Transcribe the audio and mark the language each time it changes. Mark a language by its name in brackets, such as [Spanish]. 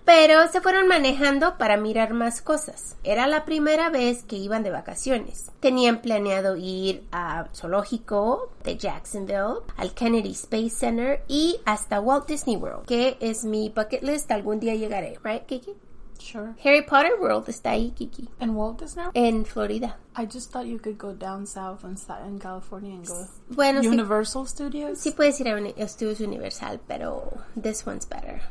[Spanish] Pero se fueron manejando para mirar más cosas. Era la primera vez que iban de vacaciones. Tenían planeado ir al zoológico de Jacksonville, al Kennedy Space Center y hasta Walt Disney World, que es mi bucket list. Algún día llegaré, ¿right, Kiki? [English] Sure. [Spanish] Harry Potter World está ahí, Kiki. ¿En Walt Disney? En Florida. [English] I just thought you could go down south and start in California and go bueno, Universal [Spanish] sí, [English] Studios. [Spanish] Sí, puedes ir a Estudios Universal, pero [English] this one's better.